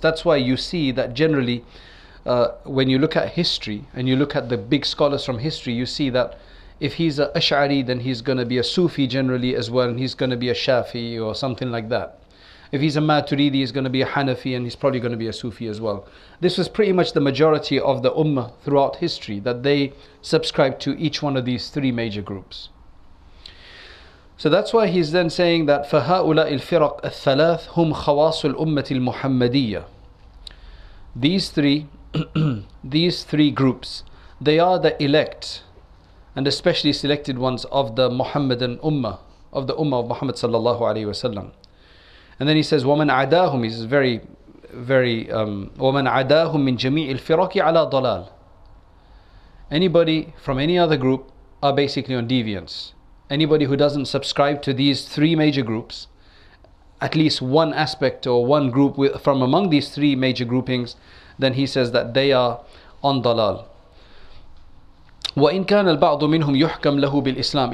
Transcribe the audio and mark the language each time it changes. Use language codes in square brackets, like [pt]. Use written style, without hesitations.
[en] That's why you see that generally, when you look at history and you look at the big scholars from history, you see that if he's an Ash'ari, then he's going to be a Sufi generally as well, and he's going to be a Shafi or something like that. If he's a Maturidi, he's going to be a Hanafi, and he's probably going to be a Sufi as well. This was pretty much the majority of the Ummah throughout history, that they subscribed to each one of these three major groups. So that's why he's then saying that [ar] فهؤلاء الفرق الثلاث هم خواص الأمة المحمدية. [en] These three, these three groups, they are the elect and especially selected ones of the Muhammadan Ummah, of the Ummah of Muhammad sallallahu alaihi wasallam. And then he says [ar] ومن عداهم, [en] he's very, very [ar] ومن عداهم من جميع الفرق على ضلال. [en] Anybody from any other group are basically on deviance. Anybody who doesn't subscribe to these three major groups, at least one aspect or one group from among these three major groupings, then he says that they are on dalal. [ar] وَإِنْ كَانَ الْبَعْضُ مِنْهُمْ يُحْكَمْ لَهُ بِالْإِسْلَامِ.